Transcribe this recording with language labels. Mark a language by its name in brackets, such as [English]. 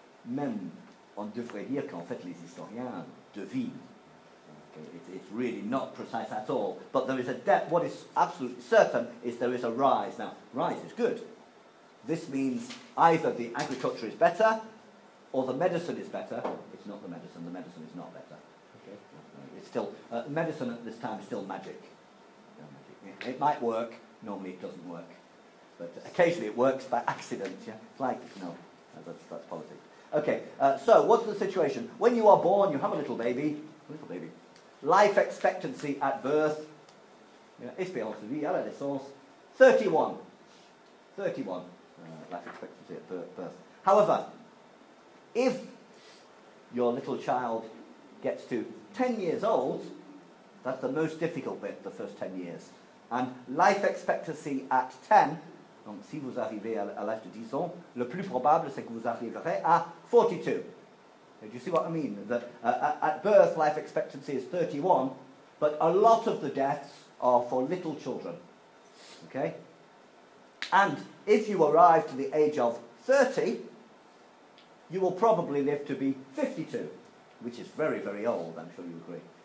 [French] Même, on devrait dire qu'en fait les historiens devinent. [English] It's really not precise at all. But there is a depth. What is absolutely certain is there is a rise. Now, rise is good. This means either the agriculture is better, or the medicine is better. It's not the medicine. The medicine is not better. Okay. It's still medicine at this time is still magic. It might work. Normally, it doesn't work. But occasionally it works by accident, yeah? That's politics. Okay, so what's the situation? When you are born, you have a little baby. Life expectancy at birth, [French] espérance de vie à la naissance, [English] 31. 31, life expectancy at birth. However, if your little child gets to 10 years old, that's the most difficult bit, the first 10 years. And life expectancy at 10... [French] Donc, si vous arrivez à l'âge de 10 ans, le plus probable, c'est que vous arriverez à 42. [English] Do you see what I mean? That at birth, life expectancy is 31, but a lot of the deaths are for little children. Okay? And if you arrive to the age of 30, you will probably live to be 52, which is very, very old, I'm sure you agree.